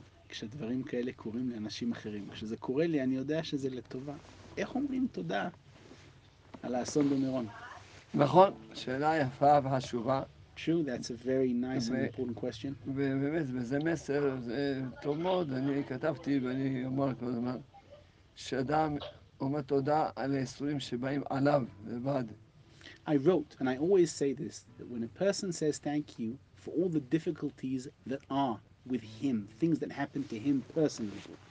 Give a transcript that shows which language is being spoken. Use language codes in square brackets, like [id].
[he] כשדברים כאלה קורים לאנשים אחרים, כשזה קורה לי, אני יודע שזה לטובה. איך אומרים תודה על האסון במירון? נכון, שאלה יפה וחשובה. [en] True, that's a very nice and important question. [he] ובאמת, וזה מסר, זה טוב מאוד, אני כתבתי ואני אומר כל הזמן, שאדם אומר תודה על היסורים שבאים עליו לבד. [en] I wrote, and I always say this, that when a person says thank you for all the difficulties that are with him, things that happen to him personally.